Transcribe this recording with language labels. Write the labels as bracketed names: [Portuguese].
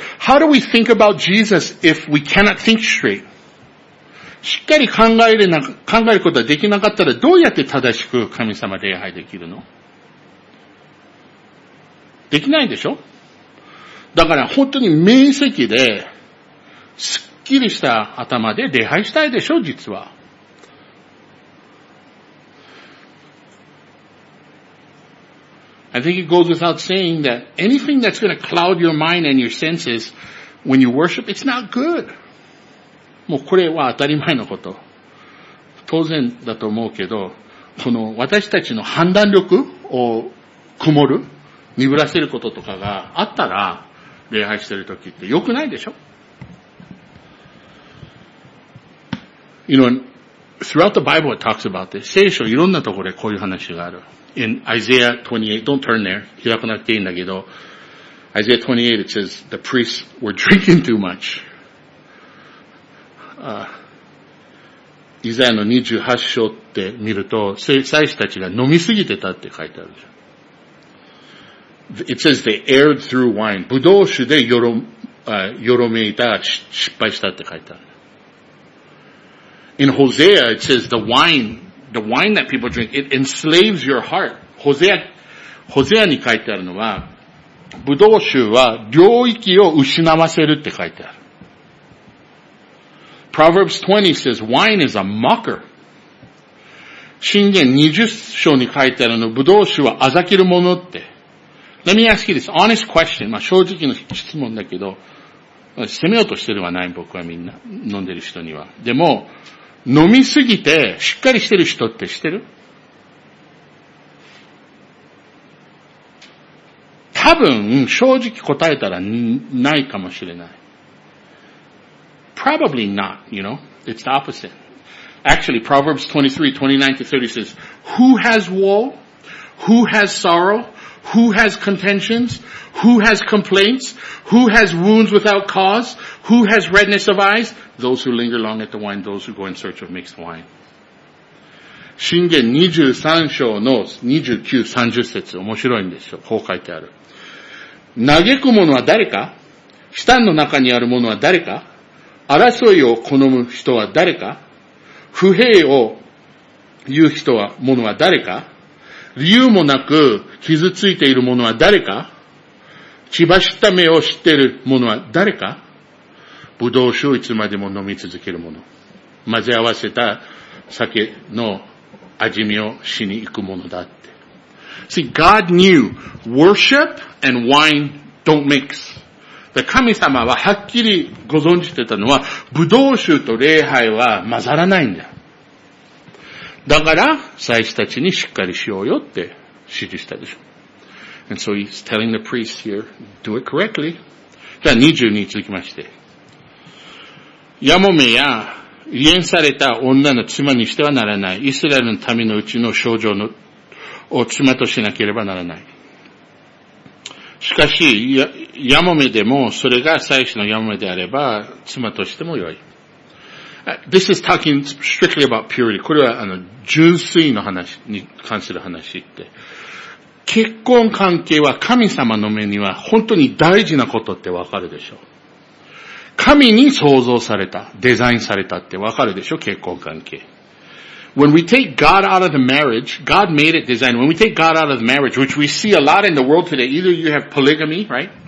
[English] How do we think about Jesus if we cannot think straight? [Japanese] しっかり考えることができなかったらどうやって正しく神様礼拝できるの？できないでしょ？だから本当に明晰で、すっきりした頭で礼拝したいでしょ、実は。 [English] I think it goes without saying that anything that's going to cloud your mind and your senses when you worship, it's not good. [Japanese] もうこれは当たり前のこと。当然だと思うけど、この私たちの判断力を曇る、鈍らせることとかがあったら、礼拝してるときって良くないでしょ。 [English] You know, throughout the Bible it talks about this. [Japanese] 聖書いろんなところでこういう話がある。 [English] In Isaiah 28, don't turn there. [Japanese] 開かなくていいんだけど、 [English] Isaiah 28, it says, the priests were drinking too much. [Japanese] イザヤの28章って見ると、祭司たちが飲みすぎてたって書いてあるじゃん。 [English] It says they erred through wine. [Japanese] ブドウ酒でよろめいた、失敗したって書いてある。 [English] In Hosea, it says the wine that people drink, it enslaves your heart. [Japanese] Hosea に書いてあるのは、ブドウ酒は領域を失わせるって書いてある。 [English] Proverbs 20 says wine is a mocker. [Japanese] 箴言20章に書いてあるの、ブドウ酒はあざけるものって。 [English] Let me ask you this honest question. [Japanese] まあ正直の質問だけど、責めようとしてるはない僕はみんな、飲んでる人には。でも、飲みすぎてしっかりしてる人って知ってる？多分、正直答えたらないかもしれない。 [English] Probably not, you know? It's the opposite. Actually, Proverbs 23, 29-30 says, Who has woe? Who has sorrow? Who has contentions? Who has complaints? Who has wounds without cause? Who has redness of eyes? Those who linger long at the wine, those who go in search of mixed wine. [Japanese] 箴言23章の29、30節、面白いんですよ。こう書いてある。嘆く者は誰か？舌の中にある者は誰か？争いを好む人は誰か？不平を言う人は、者は誰か？理由もなく傷ついている者は誰か？血走った目を知っている者は誰か？ブドウ酒をいつまでも飲み続ける者。混ぜ合わせた酒の味見をしに行く者だって。 [English] See, God knew worship and wine don't mix. [Japanese] 神様ははっきりご存じてたのは、ブドウ酒と礼拝は混ざらないんだ。だから祭司たちにしっかりしようよって指示したでしょ。 [English] And so he's telling the priests here, do it correctly. [Japanese] じゃあ20に続きまして。ヤモメや離縁された女の妻にしてはならない。イスラエルの民のうちの少女のを妻としなければならない。しかし、ヤモメでもそれが祭司のヤモメであれば妻としてもよい。 [English] This is talking strictly about purity. [Japanese] これは純粋の話に関する話って。結婚関係は神様の目には本当に大事なことってわかるでしょ。神に創造された、デザインされたってわかるでしょ、結婚関係。 [English] When we take God out of the marriage, God made it designed. When we take God out of the marriage, which we see a lot in the world today, either you have polygamy, right?